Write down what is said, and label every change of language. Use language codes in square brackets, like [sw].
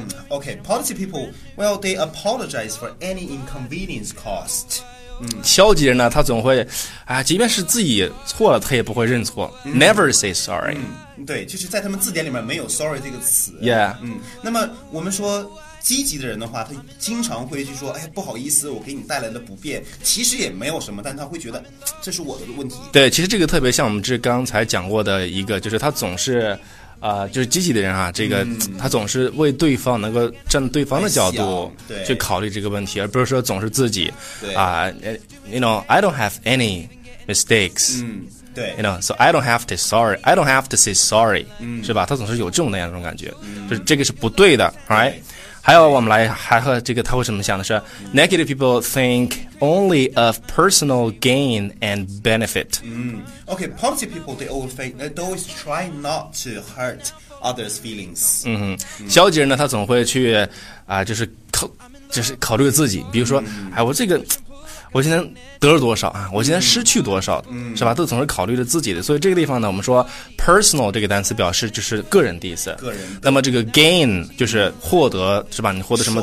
[en] Okay, positive people, well, they apologize for any inconvenience caused. [zh] 消极人呢，他总会，即便是自己错了，他也不会认错。 [en] Never say sorry. [zh] 对，就是在他们字典里面没有 sorry 这个词。 [en] Yeah. [zh] 那么我们说积极的人的话，他经常会去说，哎，不好意思，我给你带来的不便，其实也没有什么，但他会觉得这是我的问题。对，其实这个特别像我们这刚才讲过的一个，就是他总是就是积极的人啊，这个他总是为对方能够站对方的角度去考虑这个问题，而不是说总是自己啊、 [en] you know, I don't have any mistakes. [zh] 对 [en] ，you know, so I don't have to sorry, I don't have to say sorry. [zh] 是吧？他总是有这种那样的种感觉，就是这个是不对的 ， [en] right？ [zh] 还有我们来还和这个他会怎么想的是 ， [en] negative people think only of personal gain and benefit. Okay, positive people they always think they always try not to hurt others' feelings. [zh] 嗯哼，消极人呢，他总会去就是考虑自己，比如说，哎，我这个。我今天得了多少啊？我今天失去多少，是吧？都总是考虑着自己的。所以这个地方呢，我们说 personal 这个单词表示就是个人的意思。个人。那么这个 gain 就是获得，是吧？你获得什么